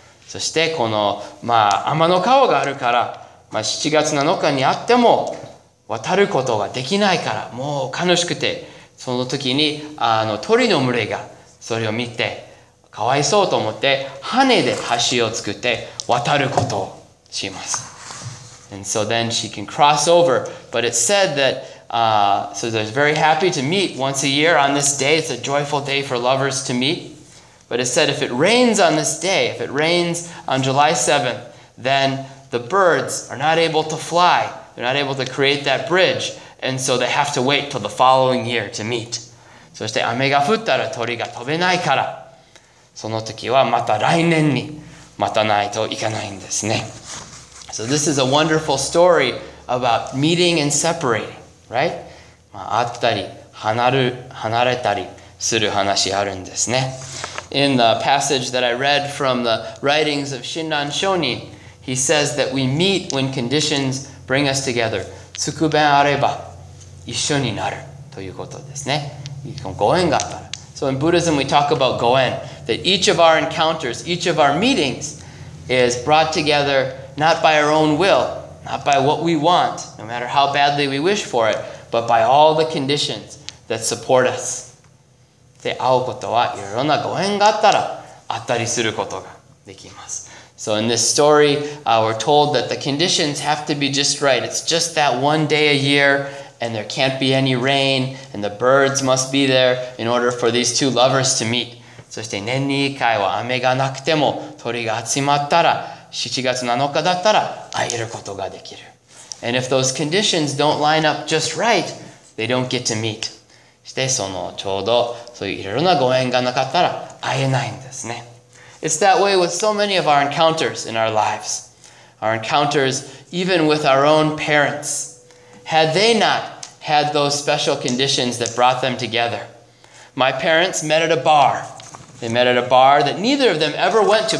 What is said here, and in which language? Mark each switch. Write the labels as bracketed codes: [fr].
[ja] そしてこの、まあ、天の川があるから、まあ、7月7日に会っても渡ることができないからもう悲しくてその時に鳥の群れがそれを見てかわいそうと思って羽で橋を作って渡ることをします。 [en] And so then she can cross over. But it said that, so they're very happy to meet once a year on this day. It's a joyful day for lovers to meet. But it said, if it rains on this day, if it rains on July 7th, then the birds are not able to fly. They're not able to create that bridge. And so they have to wait till the following year to meet. [ja] そして雨が降ったら鳥が飛べないから、その時はまた来年に待たないといけないんですね。 [en] So this is a wonderful story about meeting and separating, right? [ja] まあ、会ったり離れたりする話あるんですね。 [en] In the passage that I read from the writings of Shinran Shonin, he says that we meet when conditions bring us together. [ja] つくべんあれば一緒になるということですね。ご縁があったら。 [en] So in Buddhism, we talk about goen, that each of our encounters, each of our meetings is brought together not by our own will, not by what we want, no matter how badly we wish for it, but by all the conditions that support us. [ja] で会うことはいろんなご縁があったら会ったりすることができます。 [en] So in this story, we're told that the conditions have to be just right. It's just that one day a year, and there can't be any rain, and the birds must be there in order for these two lovers to meet. [ja] そして年に1回は雨がなくても鳥が集まったら、7月7日だったら会えることができる。 [en] And if those conditions don't line up just right, they don't get to meet. [ja] してそのちょうどそういういろいろなご縁がなかったら会えないんですね。 [en] It's that way with so many of our encounters in our lives. Our encounters even with our own parents. Had they not had those special conditions that brought them together? My parents met at a bar. They met at a bar that neither of them ever went to.